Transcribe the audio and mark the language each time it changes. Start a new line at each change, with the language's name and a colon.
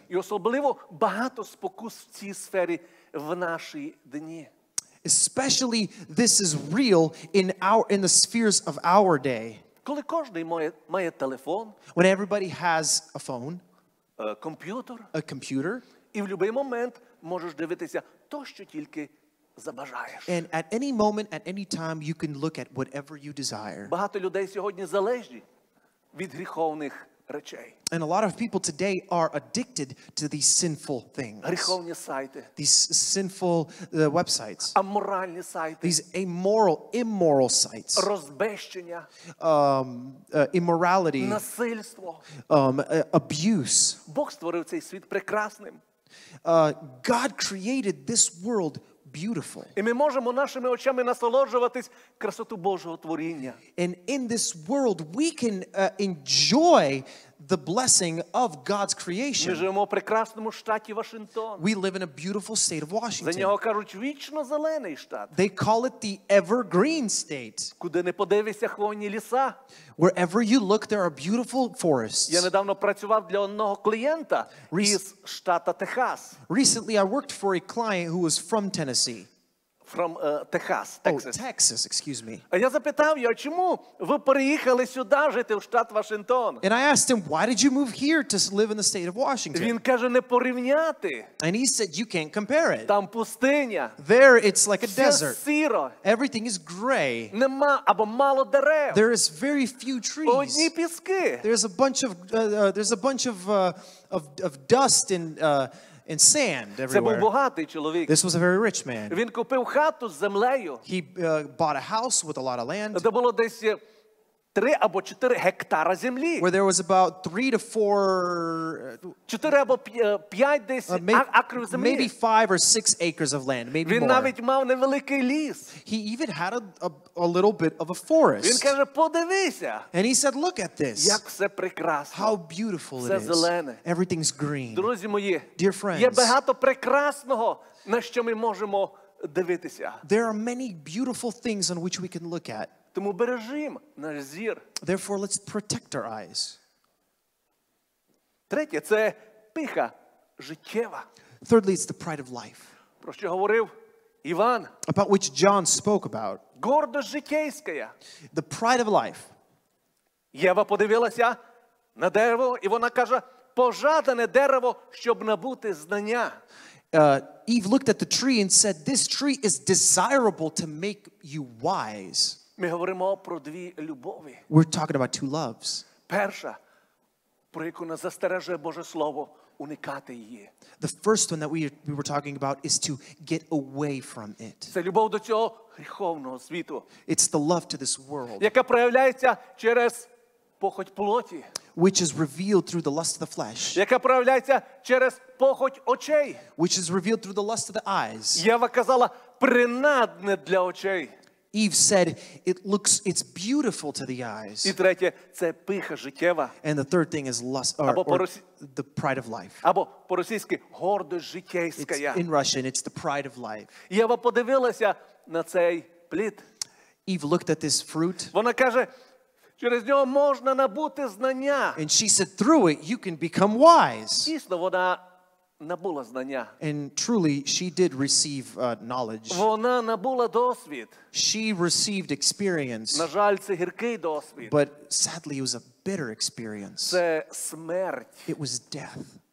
Ukrainian: І особливо багато спокус в цій сфері в наші дні.
English: Especially this is real in the spheres of our day.
Ukrainian: Коли кожний має телефон,
English: when everybody has a phone, a computer,
Ukrainian: і в будь-який момент можеш дивитися то, що тільки забажаєш.
English: And at any moment, at any time, you can look at whatever you desire.
Ukrainian: Багато людей сьогодні залежні від гріховних речей.
English: And a lot of people today are addicted to these sinful things.
Ukrainian: Гріховні сайти.
English: These sinful websites.
Ukrainian: Аморальні сайти.
English: These immoral sites.
Ukrainian: Розбещення.
English: Immorality.
Ukrainian: Насильство.
English: Abuse.
Ukrainian: Бог створив цей світ прекрасним.
English: God created this world beautiful.
Ukrainian: І ми можемо нашими очами насолоджуватись красоту Божого творіння.
English: And in this world we can enjoy the blessing of God's creation.
Ukrainian: Ми живемо в прекрасному штаті Вашингтон.
English: We live in a beautiful state of Washington.
Ukrainian: За нього кажуть вічно зелений штат.
English: They call it the evergreen state.
Ukrainian: Куди не подивися, хвойні ліса.
English: Wherever you look, there are beautiful forests.
Ukrainian: Я недавно працював для одного клієнта із штата Техас.
English: Recently I worked for a client who was from Tennessee. Texas, excuse me. And I asked him, why did you move here to live in the state of Washington?
Ukrainian: Він каже, не порівняти.
English: And he said, you can't compare it.
Ukrainian: Там пустиня.
English: There, it's like a
Ukrainian: все
English: desert.
Ukrainian: Сіро.
English: Everything is gray.
Ukrainian: Нема, або мало дерев.
English: There is very few trees.
Ukrainian: Одні піски.
English: There's a bunch of there's a bunch of dust and in sand everywhere. This was a very rich man.
Ukrainian: Він купив хату з землею.
English: He bought a house with a lot of land.
Ukrainian: Де було десь 3 або 4 гектара землі.
English: Where there was about 3 to 4
Ukrainian: 4 або 5 десь акрів землі.
English: Maybe 5 or 6 acres of land, maybe
Ukrainian: він
English: more.
Ukrainian: Він навіть мав невеликий ліс.
English: He even had a little bit of a forest.
Ukrainian: Він каже, подивися.
English: And he said, look at this.
Ukrainian: Як все прекрасно.
English: How beautiful
Ukrainian: все
English: it is.
Ukrainian: Зелене.
English: Everything's green.
Ukrainian: Друзі мої,
English: dear friends,
Ukrainian: є багато прекрасного, на що ми можемо дивитися.
English: There are many beautiful things on which we can look at.
Ukrainian: Тому бережим наш зір.
English: Therefore, let's protect our eyes.
Ukrainian: Третє – це пиха життєва.
English: Thirdly, it's the pride of life.
Ukrainian: Про що говорив Іван.
English: About which John spoke about.
Ukrainian: Гордость життєйська.
English: The pride of life.
Ukrainian: Єва подивилася на дерево, і вона каже, пожадане дерево, щоб набути знання.
English: Eve looked at the tree and said, this tree is desirable to make you wise.
Ukrainian: Ми говоримо про дві любові.
English: We're talking about two loves.
Ukrainian: Перша, про яку нас застережує Боже слово, уникати її.
English: The first one that we were talking about is to get away from it.
Ukrainian: Це любов до цього гріховного світу.
English: It's the love to this world.
Ukrainian: Яка проявляється через похоть плоті.
English: Which is revealed through the lust of the flesh.
Ukrainian: Яка проявляється через похоть очей.
English: Which is revealed through the lust of the eyes.
Ukrainian: Єва казала, принадне для очей.
English: Eve said, it looks, it's beautiful to the eyes.
Ukrainian: І третє, це пиха життєва.
English: And the third thing is lust, or the pride of life.
Ukrainian: Або по-російськи, гордость життєйська.
English: It's in Russian, it's the pride of life.
Ukrainian: Єва подивилася на цей плід.
English: Eve looked at this fruit.
Ukrainian: Вона каже, через нього можна набути знання.
English: And she said, through it, you can become wise.
Ukrainian: Дійсно, вона набула знання.
English: And truly, she did receive knowledge.
Ukrainian: Вона набула досвід.
English: She received experience.
Ukrainian: На жаль, це гіркий досвід.
English: But sadly, it was a bitter experience.
Ukrainian: Це смерть.
English: It was death.